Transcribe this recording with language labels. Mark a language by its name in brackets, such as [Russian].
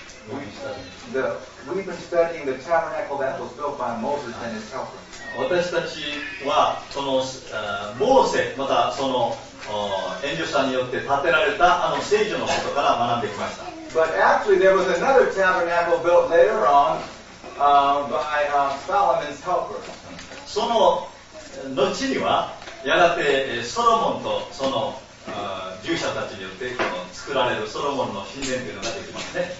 [English] We've been studying the tabernacle that was built by Moses and his helpers. [Japanese] 私たちはそのモーセまたその援助者によって建てられたあの聖女のことから学んできました。 [English] But actually there was another tabernacle built later on by Solomon's helper. [Japanese] その後にはやがてソロモンとその従者たちによってこの作られるソロモンの神殿というのができますね。